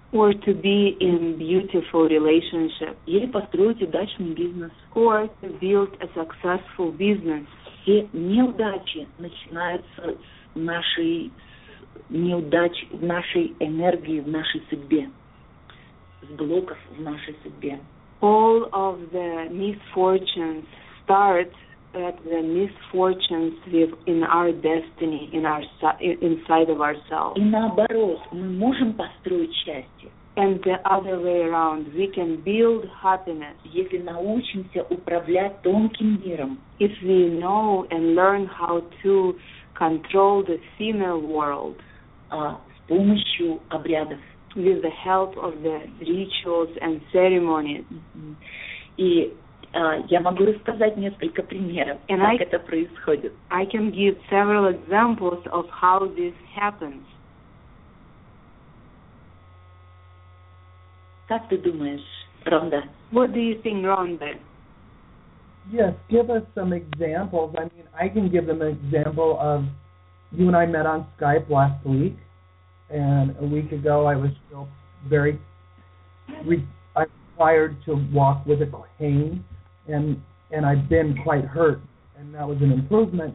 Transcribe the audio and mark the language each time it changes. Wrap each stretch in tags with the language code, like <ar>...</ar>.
<en>Or to be in beautiful relationship.</en> <ru>Или построить удачный бизнес.</ru> <en>Or to build a successful business.</en> <ru>Все неудачи начинаются с нашей неудачи, в нашей энергии, в нашей судьбе. С блоков в нашей судьбе.</ru> <en>All of the misfortunes start at the misfortunes in our destiny, inside of ourselves.</en> <ru>И наоборот, мы можем построить счастье.</ru> <en>And the other way around, we can build happiness.</en> <ru>Если научимся управлять тонким миром.</ru> <en>If we know and learn how to control the female world.</en> <ru>С помощью обрядов.</ru> <en>With the help of the rituals and ceremonies.</en> <ru>И я могу рассказать несколько примеров, and как это происходит.</ru> <en>I can give several examples of how this happens.</en> <ru>Как ты думаешь,</ru> <en>Ронда? What do you think, Ronda? Yes, give us some examples. I mean, I can give them an example of you and I met on Skype last week, and a week ago I was still very required to walk with a cane, and I've been quite hurt, and that was an improvement.</en>